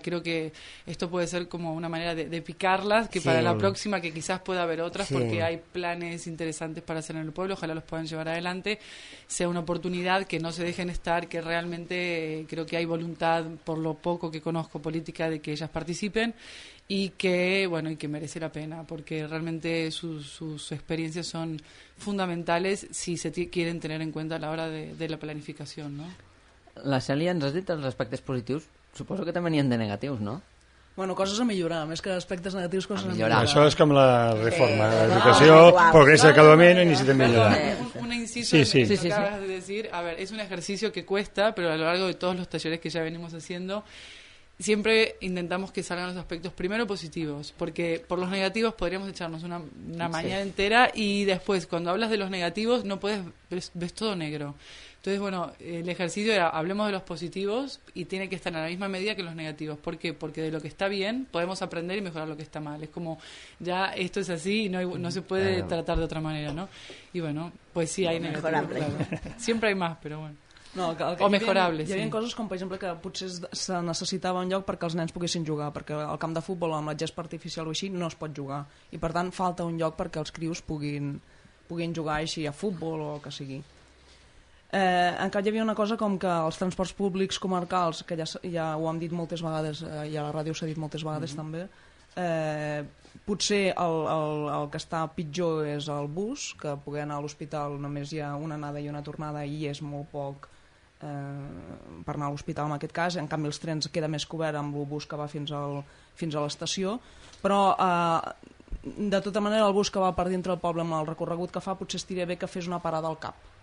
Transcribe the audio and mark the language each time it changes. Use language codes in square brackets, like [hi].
[es] Creo que esto puede ser como una manera de picarlas, que sí, para la próxima, que quizás pueda haber otras, sí, porque hay planes interesantes para hacer en el pueblo, ojalá los puedan llevar adelante, sea una oportunidad, que no se dejen estar, que realmente creo que hay voluntad, por lo poco que conozco política, de que ellas participen. Y que, bueno, y que merece la pena, porque realmente sus experiencias son fundamentales si se quieren tener en cuenta a la hora de la planificación, ¿no? [ca] La Cèlia, ens has dit els aspectes positius? Suposo que també n'hi ha de negatius, no? Bueno, coses a millorar, més que aspectes negatius, coses a millorar. Això és com la reforma, l'educació progressa cada moment i necessita millorar. [es] Un inciso que acabes de decir, a ver, es un ejercicio que cuesta, pero a lo largo de todos los talleres que ya venimos haciendo... Siempre intentamos que salgan los aspectos primero positivos, porque por los negativos podríamos echarnos una mañana entera, y después, cuando hablas de los negativos, no puedes, ves todo negro. Entonces, bueno, el ejercicio era, hablemos de los positivos, y tiene que estar en la misma medida que los negativos. ¿Por qué? Porque de lo que está bien podemos aprender y mejorar lo que está mal. Es como, ya esto es así y no se puede tratar de otra manera, ¿no? Y bueno, pues sí, hay negativos, claro. Siempre hay más, pero bueno. No, o mejorables. [ca] Hi havia coses com, per exemple, que potser se necessitava un lloc perquè els nens poguessin jugar, perquè al camp de futbol amb la gespa artificial o així no es pot jugar, i per tant falta un lloc perquè els crios puguin jugar així a futbol o el que sigui. Encara hi havia una cosa com que els transports públics comarcals, que ja ho hem dit moltes vegades, i a la ràdio s'ha dit moltes vegades, mm-hmm, també, potser el que està pitjor és el bus, que poder anar a l'hospital només hi ha una anada i una tornada i és molt poc per anar a l'hospital en aquest cas. En canvi, els trens queda més cobert amb el bus que va fins a l'estació, però de tota manera el bus que va per dintre el poble amb el recorregut que fa potser estiria bé que fes una parada al cap.